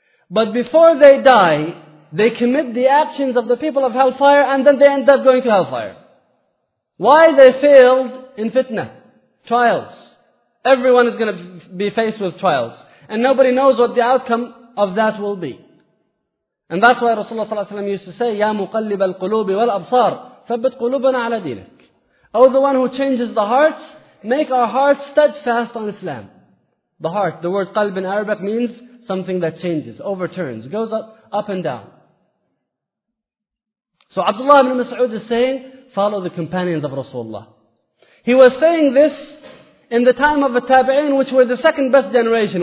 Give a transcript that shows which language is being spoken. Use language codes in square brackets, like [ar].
[en] But before they die, they commit the actions of the people of hellfire, and then they end up going to hellfire. Why? They failed in fitna, trials. Everyone is going to be faced with trials. And nobody knows what the outcome of that will be. And that's why Rasulullah [ar] صلى الله عليه وسلم [en] used to say, [ar] يَا مُقَلِّبَ الْقُلُوبِ وَالْأَبْصَارِ ثَبِّتْ قُلُوبَنَا عَلَى دِينَكَ. [en] Oh, the one who changes the hearts, make our hearts steadfast on Islam. The heart, the word qalb in Arabic means something that changes, overturns, goes up and down. So Abdullah ibn Mas'ud is saying, follow the companions of Rasulullah. He was saying this in the time of the Tabi'in, which were the second best generation.